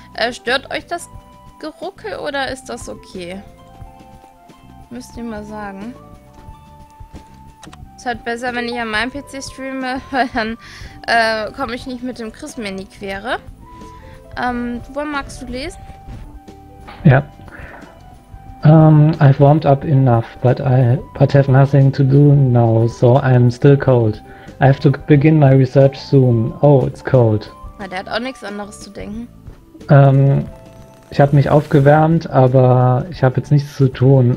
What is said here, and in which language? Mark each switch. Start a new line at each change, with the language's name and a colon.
German: Stört euch das Geruckel oder ist das okay? Müsst ihr mal sagen. Ist halt besser, wenn ich an meinem PC streame, weil dann komme ich nicht mit dem Chris mehr in die Quere. Wo magst du lesen? Ja.
English: I've warmed up enough, but have nothing to do now, so I'm still cold. I have to begin my research soon. Oh, it's cold.
German: Na, der hat auch nichts anderes zu denken. Ich habe mich aufgewärmt, aber ich habe jetzt nichts zu tun.